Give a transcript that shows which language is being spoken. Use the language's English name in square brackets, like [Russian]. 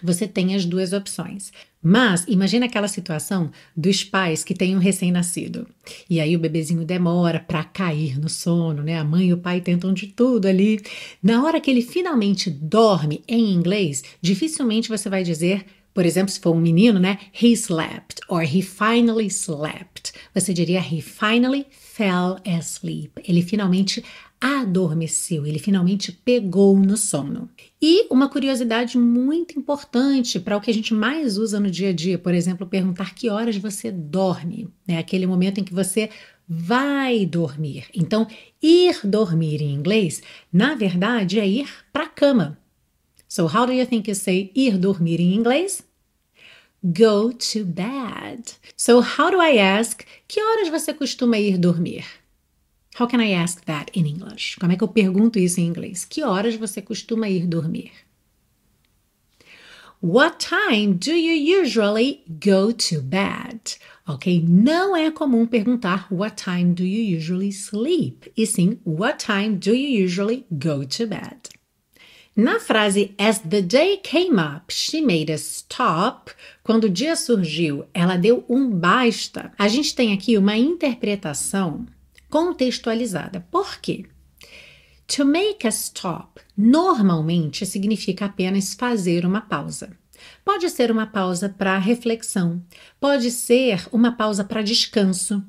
[Portuguese] Você tem as duas opções. Mas imagina aquela situação dos pais que têm um recém-nascido. E aí o bebezinho demora para cair no sono, né? A mãe e o pai tentam de tudo ali. Na hora que ele finalmente dorme, em inglês, dificilmente você vai dizer. Por exemplo, se for um menino, né? [English] He slept or he finally slept. [Portuguese] Você diria [English] he finally fell asleep. [Portuguese] Ele finalmente adormeceu, ele finalmente pegou no sono. E uma curiosidade muito importante para o que a gente mais usa no dia a dia, por exemplo, perguntar que horas você dorme, né? Aquele momento em que você vai dormir. Então, ir dormir em inglês, na verdade, é ir para a cama. [English] So, how do you think you say [Portuguese] ir dormir em inglês? [English] Go to bed. So, how do I ask? [Portuguese] Que horas você costuma ir dormir? [English] How can I ask that in English? [Portuguese] Como é que eu pergunto isso em inglês? Que horas você costuma ir dormir? [English] What time do you usually go to bed? [Portuguese] Ok, não é comum perguntar [English] what time do you usually sleep? [Portuguese] E sim, [English] what time do you usually go to bed? [Portuguese] Na frase [English] as the day came up, she made a stop. [Portuguese] Quando o dia surgiu, ela deu um basta. A gente tem aqui uma interpretação contextualizada. Por quê? [English] To make a stop [Portuguese] normalmente significa apenas fazer uma pausa. Pode ser uma pausa para reflexão, pode ser uma pausa para descanso.